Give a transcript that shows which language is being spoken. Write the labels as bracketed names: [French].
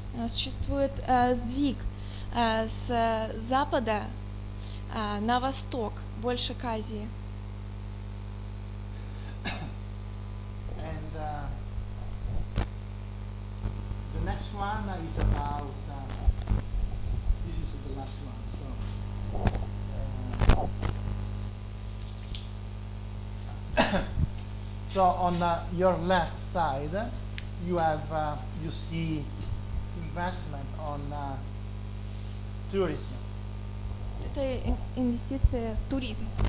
[Russian] Существует сдвиг с Запада на Восток, больше к Азии. [English] And the next one is about, this is the last one, so. So on your left side, you have you see investment on tourism. [Russian] Это инвестиции в туризм.